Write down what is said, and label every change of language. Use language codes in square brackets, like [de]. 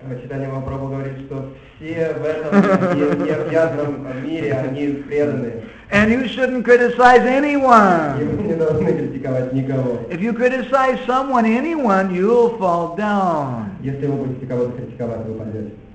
[ru] Chaitanya Mahaprabhu говорит, что все в этом необъятном мире, они преданные. [en] And you shouldn't criticize anyone. [ru] Не должны критиковать никого. [en] If you criticize someone, anyone, you'll fall down. [ru] Если вы будете кого-то критиковать, вы упадете.